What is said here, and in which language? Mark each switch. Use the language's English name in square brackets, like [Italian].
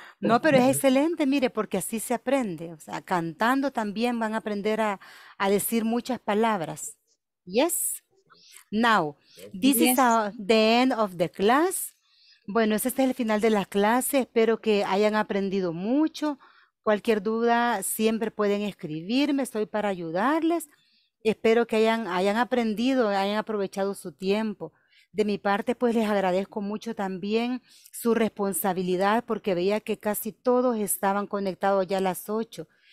[Spanish] No, pero es excelente, mire, porque así se aprende. O sea, cantando también van a aprender a decir muchas palabras. [English] Yes. Now, this yes. is the end of the class. [Spanish] Bueno, este es el final de la clase. Espero que hayan aprendido mucho. Cualquier duda, siempre pueden escribirme. Estoy para ayudarles. Espero que hayan aprendido, hayan aprovechado su tiempo. De mi parte, pues, les agradezco mucho también su responsabilidad porque veía que casi todos estaban conectados ya a las 8.